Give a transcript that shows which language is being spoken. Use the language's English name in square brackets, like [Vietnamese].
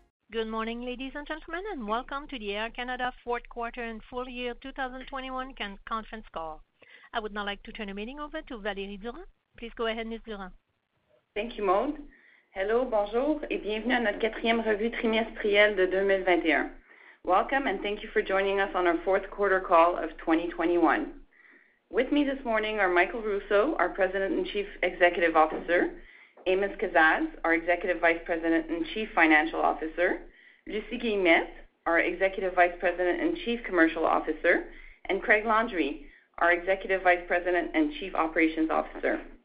[English] Good morning, ladies and gentlemen, and welcome to the Air Canada Fourth Quarter and Full Year 2021 Conference Call. I would now like to turn the meeting over to Valérie Durand. Please go ahead, Ms. Durand. Thank you, Maud. [French] Hello, bonjour, et bienvenue à notre quatrième revue trimestrielle de 2021. [English] Welcome, and thank you for joining us on our fourth quarter call of 2021. With me this morning are Michael Rousseau, our President and Chief Executive Officer, Amos Kazaz, our Executive Vice President and Chief Financial Officer, Lucie Guillemette, our Executive Vice President and Chief Commercial Officer, and Craig Landry, our Executive Vice President and Chief Operations Officer.